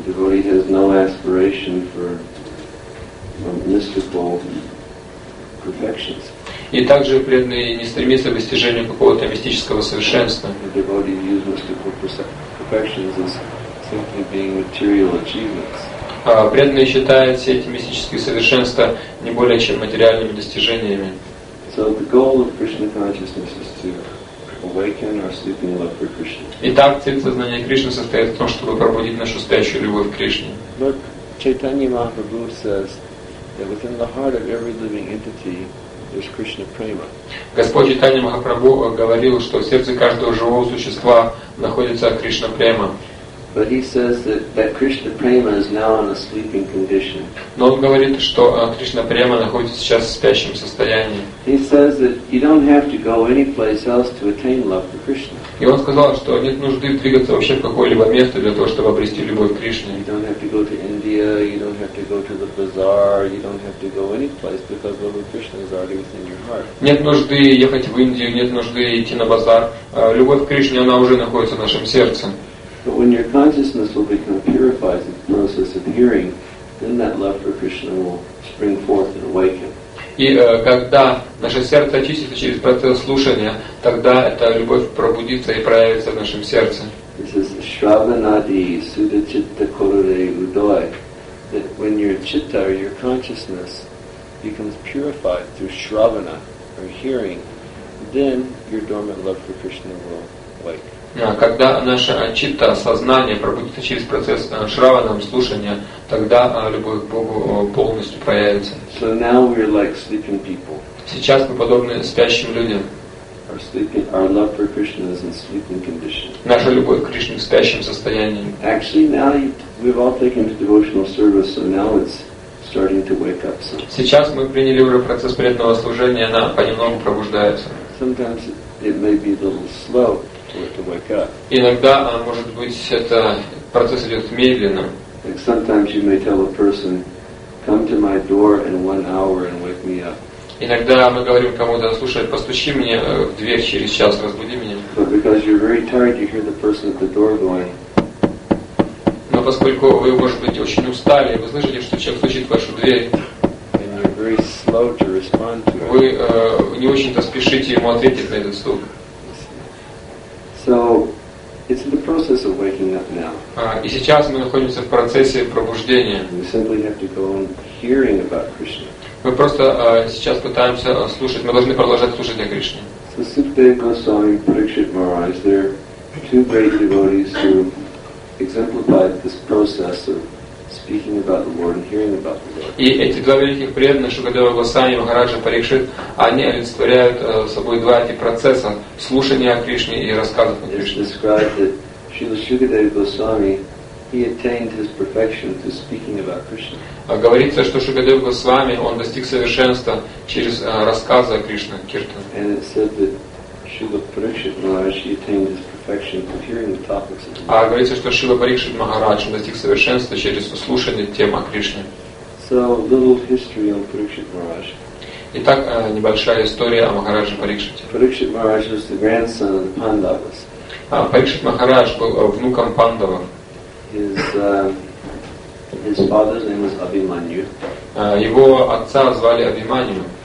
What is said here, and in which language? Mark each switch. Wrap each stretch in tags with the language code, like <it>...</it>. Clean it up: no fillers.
<en>Devotee has no aspiration for mystical perfections.</en> <ru>И также преданный не стремится к достижению какого-то мистического совершенства.</ru> <en>Devotee views mystical perfections as simply being material achievements.</en> <ru>Преданный считает все эти мистические совершенства не более чем материальными достижениями.</ru> <en>So the goal of Krishna consciousness is to awaken our sleeping love for Krishna.</en> <ru>Итак, цель сознания Кришны состоит в том, чтобы пробудить нашу спящую любовь к Кришне.</ru> <en>But Chaitanya Mahaprabhu says that within the heart of every living entity is Krishna prema.</en> <ru>Господь Чайтанья Махапрабху говорил, что в сердце каждого живого существа находится Кришна према.</ru> <en>But he says that Krishna Prema is now in a sleeping condition.</en> <ru>Но он говорит, что Кришна Према находится сейчас в спящем состоянии.</ru> <en>He says that you don't have to go anyplace else to attain love for Krishna.</en> <ru>И он сказал, что нет нужды двигаться вообще в какое-либо место для того, чтобы обрести любовь к Кришне.</ru> <en>You don't have to go to India, you don't have to go to the bazaar, you don't have to go anyplace because love of Krishna is already within your heart.</en> <ru>Нет нужды ехать в Индию, нет нужды идти на базар. Любовь к Кришне, она уже находится в нашем сердце.</ru> <en>But when your consciousness will become purified in the process of hearing, then that love for Krishna will spring forth and awaken.</en> <ru>И когда наше сердце очистится через процесс слушания, тогда эта любовь пробудится и проявится в нашем сердце.</ru> <en>This is</en> <bn>Shravanadi Sudachitta Kurude Udoy.</bn> <en>That when your chitta or your consciousness becomes purified through Shravana or hearing, then your dormant love for Krishna will awake.</en> <ru>Когда наше читта, сознание пробудится через процесс шраванам, слушания, тогда любовь к Богу полностью проявится.</ru> <en>So now we're like sleeping people.</en> <ru>Сейчас мы подобны спящим людям.</ru> <en>Our sleeping, our love for Krishna is in sleeping condition.</en> <ru>Наша любовь к Кришне в спящем состоянии.</ru> <en>Actually, now we've all taken to devotional service, so now it's starting to wake up some.</en> <ru>Сейчас мы приняли уже процесс преданного служения, она понемногу пробуждается.</ru> <en>Sometimes it may be a little slow.</en> <ru>Иногда, может быть, это процесс идет медленно.</ru> <en>Like sometimes you may tell a person, come to my door in 1 hour and wake me up.</en> <ru>Иногда мы говорим кому-то, слушай, постучи мне в дверь через час, разбуди меня.</ru> <en>But because you're very tired, you hear the person at the door going.</en> <ru>Но поскольку вы, может быть, очень устали, вы слышите, что человек стучит в вашу дверь.</ru> <en>And you're very slow to respond to.</en> <ru>Вы не очень-то спешите ему ответить на этот стук.</ru> <en>So it's in the process of waking up now.</en> <ru>И сейчас мы находимся в процессе пробуждения.</ru> <en>We simply have to go on hearing about Krishna.</en> <ru>Мы просто сейчас пытаемся слушать. Мы должны продолжать слушать о Кришне.</ru> <en>So Sukadeva Goswami, Parikshit Maharaj, there are two great devotees who exemplified this process of speaking about the Lord and hearing about the Lord.</en> <ru>И эти два великих преданных, Шукадева Госвами и Махараджа Парикшит, они олицетворяют собой два эти процесса слушания о Кришне и рассказов о Кришне.</ru> <en>It's described that Srila Shukadeva Goswami, he attained his perfection through speaking about Krishna.</en> <ru>Говорится, что Шукадева Госвами, он достиг совершенства через рассказы о Кришне, киртан.</ru> <en>And it said that Srila Parikshit Maharaj, he attained his perfection through hearing the topics of Krishna.</en> <ru>Говорится, что Шрила Парикшит Махарадж достиг совершенства через слушание тем о Кришне.</ru> <en>So, a little history on Parikshit Maharaj.</en> <ru>Итак, небольшая история о Махарадже Парикшите.</ru> <en>Parikshit Maharaj was the grandson of the Pandavas.</en> <ru>Парикшит Махарадж был внуком Пандава.</ru> <en>His father's name was Abhimanyu.</en> <ru>Его отца звали Абхиманью.</ru>